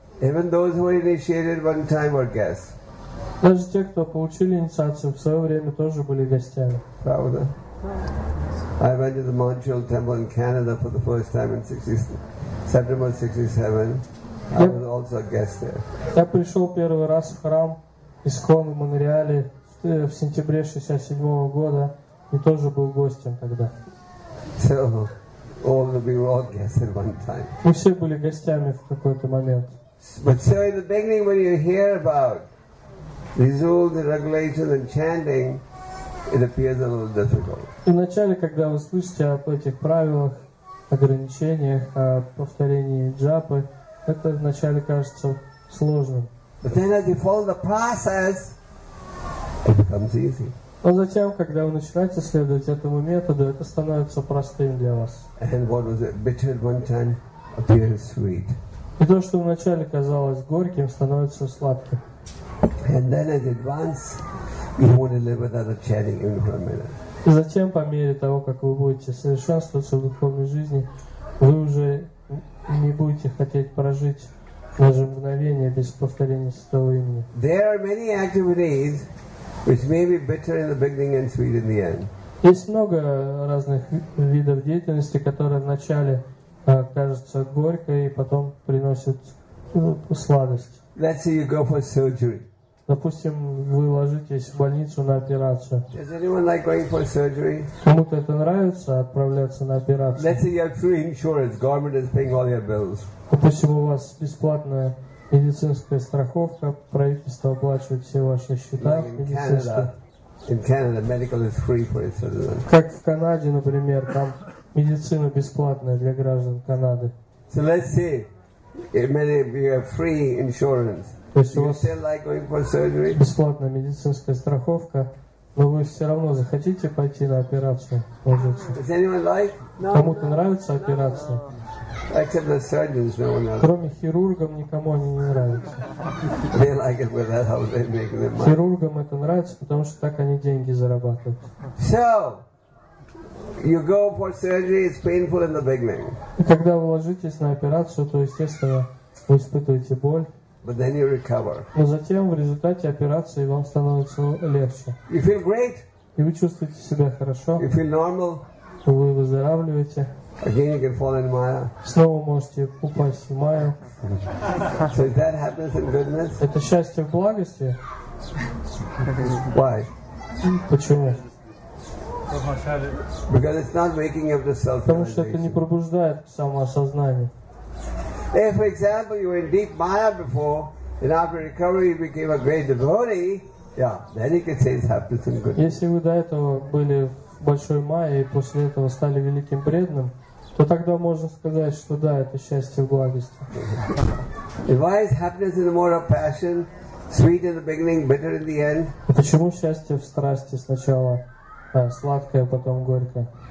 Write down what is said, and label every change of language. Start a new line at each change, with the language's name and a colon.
English: Even those who initiated one time were guests.
Russian: Даже те, кто получили инициацию в свое время, тоже были гостями. Правда?
English: I went to the Montreal Temple in Canada for the first time in September 67. I was also a guest there.
Russian: Я пришел первый раз в храм Искон в Монреале в сентябре 67 года и тоже был гостем тогда.
English: So, all of them were all guests at one time.
Russian: Мы все были гостями в какой-то момент.
English: But so in the beginning when you hear about these rules and regulations and chanting, it appears a little difficult.
Russian: В начале, когда вы слышите об этих правилах, ограничениях, о повторении джапы, это вначале кажется сложным.
English: But then as you follow the process, it becomes easy.
Russian: Но затем, когда вы начинаете следовать этому методу, это становится простым для вас.
English: And what was it? Bitter at one time appears sweet.
Russian: И то, что вначале казалось горьким, становится сладким.
English: And then as it advances, you won't live without a chanting even for a minute.
Russian: Затем, по мере того, как вы будете совершенствоваться в духовной жизни, вы уже не будете хотеть прожить даже мгновение без повторения святого имени.
English: There are many activities which may be bitter in the beginning and sweet in the end.
Russian: Есть много разных видов деятельности, которые вначале кажутся горькой и потом приносят сладость.
English: Let's say you go for surgery.
Russian: Допустим, вы ложитесь в больницу на операцию.
English: Does anyone like going for surgery?
Russian: Кому-то это нравится, отправляться на операцию.
English: Let's say you have free insurance, government is paying all your bills.
Russian: Допустим, у вас бесплатная медицинская страховка, правительство оплачивает все ваши счета.
English: In Canada, medical is free for its citizens.
Russian: Как в Канаде, например, там медицина бесплатная для граждан Канады.
English: So let's say you have free insurance.
Russian: То есть
English: you
Russian: у вас
English: still like going for surgery?
Russian: Бесплатная медицинская страховка, но вы все равно захотите пойти на операцию, ложиться.
English: Does anyone like?
Russian: No, кому-то нравится операция?
English: Except the surgeons, no one else.
Russian: Кроме хирургам никому они не нравятся.
English: They like it without how they make their money.
Russian: Хирургам это нравится, потому что так они деньги зарабатывают.
English: So, you go for surgery, it's painful in the beginning.
Russian: И когда вы ложитесь на операцию, то естественно вы испытываете боль.
English: But then you recover.
Russian: Но затем в результате операции вам становится легче.
English: You feel great.
Russian: И вы чувствуете себя хорошо.
English: You feel normal.
Russian: Вы выздоравливаете.
English: Again you can fall in Maya.
Russian: Снова можете упасть в Майю.
English: So if that happens in goodness.
Russian: Это счастье в благости.
English: Why?
Russian: Почему?
English: Because it's not waking up to self-realization.
Russian: Потому что это не пробуждает самоосознание.
English: If, for example, you were in deep Maya before, and after recovery you became a great devotee, yeah, then you can say it's happened some good.
Russian: Если вы до этого были в большой Майе и после этого стали великим преданным, то тогда можно сказать, что да, это счастье в благости.
English: If why is happiness in the mode of passion, sweet in the beginning, bitter in the end?
Russian: Почему счастье в страсти сначала сладкое, потом горькое?